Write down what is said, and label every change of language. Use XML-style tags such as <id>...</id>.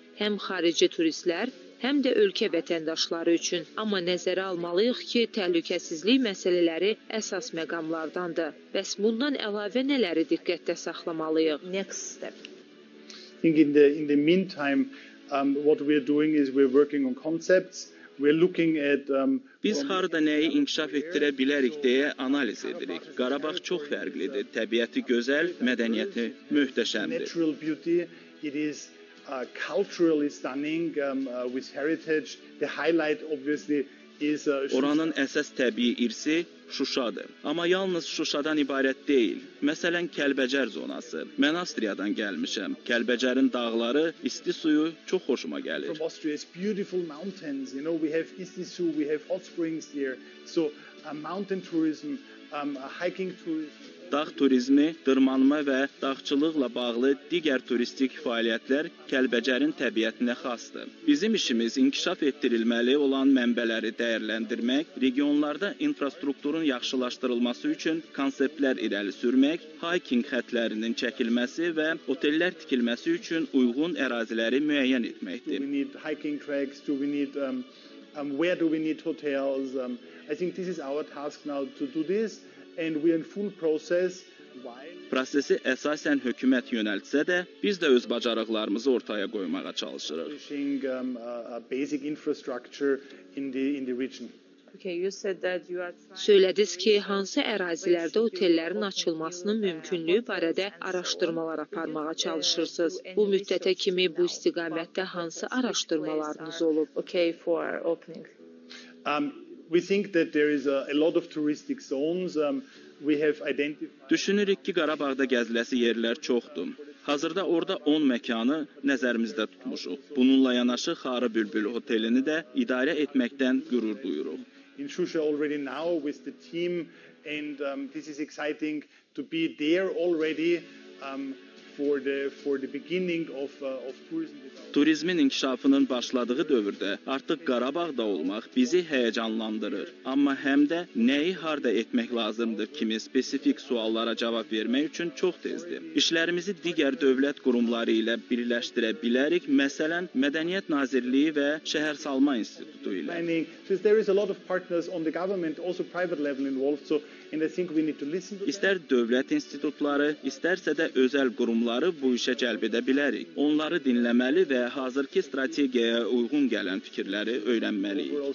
<az>Həm xarici turistlər, həm də ölkə vətəndaşları üçün. Amma nəzərə almalıyıq ki, təhlükəsizlik məsələləri əsas məqamlardandır. Bəs bundan əlavə nələri diqqətdə saxlamalıyıq?</az> <en>Next step. In the meantime, what we are doing is we're working on concepts.</en> <az>Biz harada nəyi inkişaf etdirə bilərik deyə analiz edirik. Qarabağ çox fərqlidir. Təbiəti gözəl, mədəniyyəti möhtəşəmdir.</az> <en>Natural beauty, it is culturally stunning with heritage. The highlight obviously is</en> <az>Oranın əsas təbii irsi Şuşadır. Amma yalnız Şuşadan ibarət deyil. Məsələn, Kəlbəcər zonası. Mən Avstriyadan gəlmişəm. Kəlbəcərin dağları, isti suyu çox xoşuma gəlir.</az> <en>From Austria, it's beautiful mountains. You know, we have Istisu, we have hot springs there. So, mountain tourism, hiking tourism.</en> <az>Dağ turizmi, dırmanma və dağçılıqla bağlı digər turistik fəaliyyətlər Kəlbəcərin təbiətinə xasdır. Bizim işimiz inkişaf etdirilməli olan mənbələri dəyərləndirmək, regionlarda infrastrukturun yaxşılaşdırılması üçün konseptlər irəli sürmək, hiking xətlərinin çəkilməsi və otellər tikilməsi üçün uyğun əraziləri müəyyən etməkdir.</az> <en>Do we need hiking tracks? Do we need where do we need hotels? I think this is our task now to do this. And we are in full process.</en> <az>Prosesi əsasən hökumət yönəltsə də, biz də öz bacarıqlarımızı ortaya qoymağa çalışırıq.</az> <en>Basic infrastructure in the region. Okay, you said that you are.</en> <az>Söylədiniz ki, hansı ərazilərdə otellərin açılmasının mümkünlüyü barədə araşdırmalar aparmağa çalışırsınız. Bu müddətə kimi bu istiqamətdə hansı araşdırmalarınız olub?</az> <en>Okay, for opening. We think that there is a lot of touristic zones. We have identified.</en> <az>Düşünürük ki, Qarabağda gəziləsi yerlər çoxdur. Hazırda orada 10 məkanı nəzərimizdə tutmuşuq. Bununla yanaşı Xarı Bülbül otelini də idarə etməkdən qürur duyuruq.</az> <en>In Shusha already now with the team and this is exciting to be there already for the beginning of tourism.</en> <az>Turizmin inkişafının başladığı dövrdə artıq Qarabağda olmaq bizi həyəcanlandırır. Amma həm də nəyi harda etmək lazımdır kimi spesifik suallara cavab vermək üçün çox tezdir. İşlərimizi digər dövlət qurumları ilə birləşdirə bilərik, məsələn, Mədəniyyət Nazirliyi və Şəhər Salma İnstitutu ilə.</az> <en>There is a lot of partners on the government, also private level involved, so and I think we need to listen to.</en> <az>İstər dövlət institutları, istərsə də özəl qurumları bu işə cəlb edə bilərik. Onları dinləməli və hazırki strategiyaya uyğun gələn fikirləri öyrənməliyik.</az>